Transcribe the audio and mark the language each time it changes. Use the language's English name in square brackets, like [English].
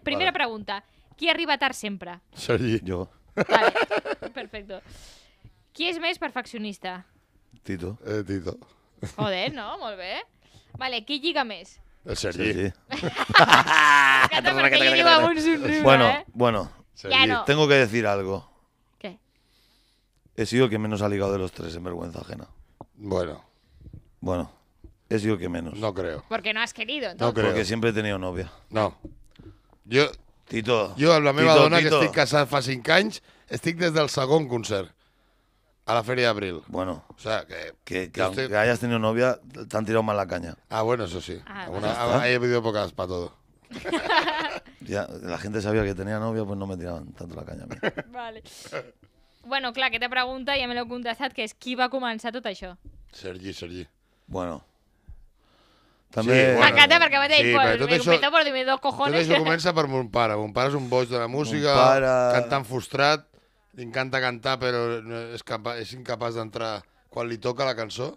[Catalan] Primera pregunta. Qui arriba tard sempre? Sergi. Jo. [Spanish] Vale, perfecto. [Catalan] Qui és més perfeccionista? Tito. Tito. Joder, no? Molt bé. Vale, qui lliga més? El Sergi. M'encanta perquè lliga amb un somriure, eh? [Spanish] Bueno, Sergi, tengo que decir algo. ¿Qué? He sido el que menos ha ligado de los tres en vergüenza ajena. Bueno. Bueno, he sido el que menos. No creo. Porque no has querido, entonces. No creo. Porque siempre he tenido novia. No. Yo... Tito. [Catalan] Yo a la meva dona, que estic casat fa 5 anys, estic des del segon concert. A la Feria d'Abril. Bueno. [Spanish] O sea, que hayas tenido novia, te han tirado mal la caña. Ah, bueno, eso sí. He pedido pocas para todo. Ya, la gente sabía que tenía novia, pues no me tiraban tanto la caña. Vale. [Catalan] Bueno, clar, aquesta pregunta ja me l'heu contestat, que és qui va començar tot això. Sergi, Sergi. Bueno. També... Sí, bueno. M'encanta perquè va dir, [Spanish] dime dos cojones. [Catalan] Tot això comença per mon pare. Mon pare és un boig de la música, pare... cantant frustrat. Li encanta cantar, però és incapaç d'entrar quan li toca la cançó.